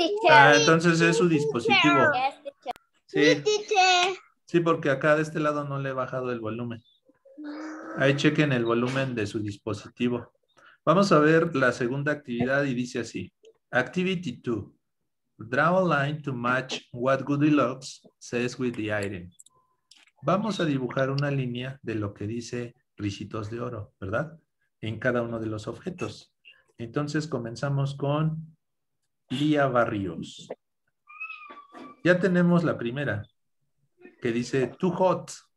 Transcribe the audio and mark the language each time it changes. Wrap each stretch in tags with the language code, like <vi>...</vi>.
<es>Ah, entonces es su dispositivo. Sí. Sí, porque acá de este lado no le he bajado el volumen. Ahí chequen el volumen de su dispositivo. Vamos a ver la segunda actividad y dice así.</es> <en>Activity 2. Draw a line to match what Goldilocks says with the item.</en> <es>Vamos a dibujar una línea de lo que dice Ricitos de Oro, ¿verdad? En cada uno de los objetos. Entonces comenzamos con Lía Barrios. Ya tenemos la primera, que dice</es> <en>too hot.</en>